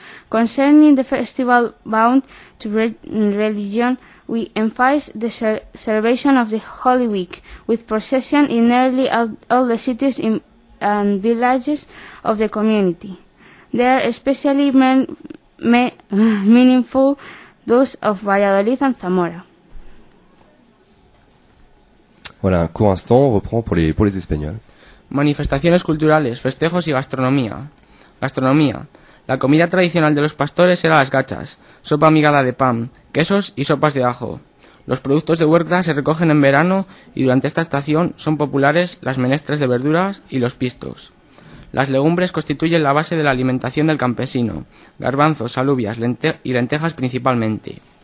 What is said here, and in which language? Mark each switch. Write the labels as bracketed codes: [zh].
[en] Concerning the festival bound to religion, we emphasize the celebration of the Holy Week, with procession in nearly all the cities and villages of the community. They are especially meaningful, those of Valladolid and Zamora. [fr] Voilà, un court instant, on reprend pour les Espagnols. [es] Manifestaciones culturales, festejos y gastronomía. Gastronomía. La comida tradicional de los pastores era las gachas, sopa migada de pan, quesos y sopas de ajo. Los productos de huerta se recogen en verano y durante esta estación son populares las menestras de verduras y los pistos. Las legumbres constituyen la base de la alimentación del campesino, garbanzos, alubias y lentejas principalmente.